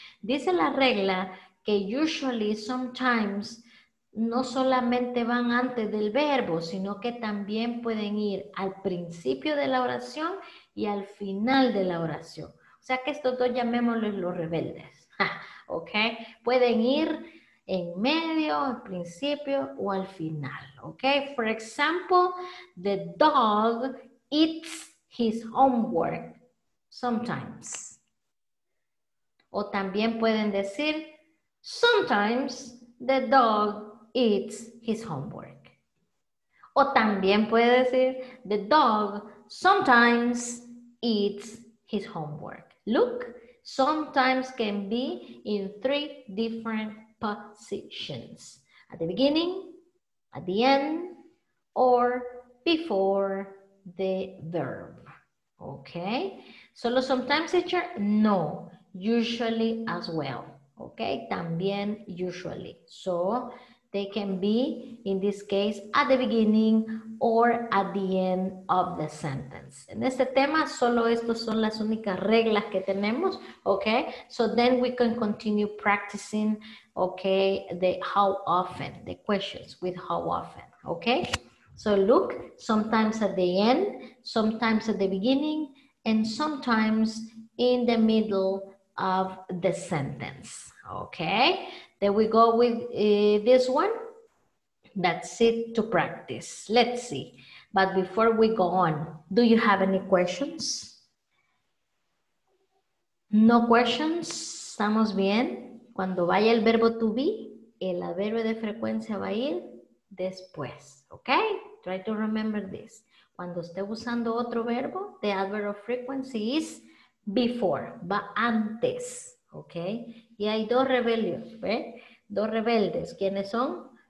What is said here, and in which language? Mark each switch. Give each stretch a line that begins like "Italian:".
Spanish: Dice la regla que usually, sometimes, no solamente van antes del verbo, sino que también pueden ir al principio de la oración y al final de la oración. O sea que estos dos llamémosles los rebeldes, ¿ok? Pueden ir en medio, al principio o al final, ¿ok?
English: For example, the dog eats his homework sometimes.
Spanish: O también pueden decir,
English: sometimes the dog eats his homework.
Spanish: O también puede decir,
English: the dog sometimes eats his homework. Look, sometimes can be in three different positions. At the beginning, at the end, or before the verb. Okay? Solo sometimes, teacher? No. Usually as well. Okay?
Spanish: También usually.
English: So, they can be, in this case, at the beginning or at the end of the sentence.
Spanish: En este tema, solo estas son las únicas reglas que tenemos, okay?
English: So then we can continue practicing, okay, the how often, the questions with how often, okay? So look, sometimes at the end, sometimes at the beginning, and sometimes in the middle of the sentence. Okay, there we go with this one. That's it to practice. Let's see. But before we go on, do you have any questions? No questions.
Spanish: ¿Estamos bien? Cuando vaya el verbo to be, el adverbio de frecuencia va a ir después.
English: Okay? Try to remember this.
Spanish: Cuando esté usando otro verbo,
English: the adverb of frequency is before.
Spanish: Va antes. Okay? Y hay dos rebeldes, ¿eh? Dos rebeldes. ¿Quiénes son?